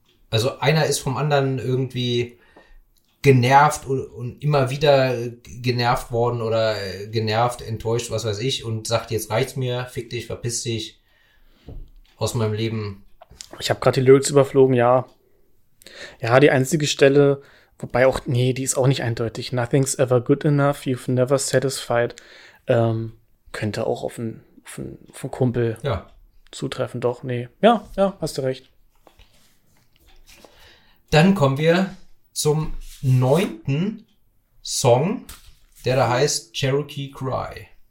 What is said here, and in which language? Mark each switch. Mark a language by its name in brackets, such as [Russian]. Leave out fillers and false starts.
[German] Also einer ist vom anderen irgendwie genervt und immer wieder genervt worden oder genervt, enttäuscht, was weiß ich, und sagt, jetzt reicht's mir, fick dich, verpiss dich aus meinem Leben. Ich habe gerade die Lyrics überflogen, ja. Ja, die einzige Stelle, wobei auch, nee, die ist auch nicht eindeutig. [English] Nothing's ever good enough, you've never satisfied. [German] Könnte auch auf einen Kumpel zutreffen, doch, nee. Ja, hast du recht. Dann kommen wir zum 9. Song, der da heißt Cherokee Cry.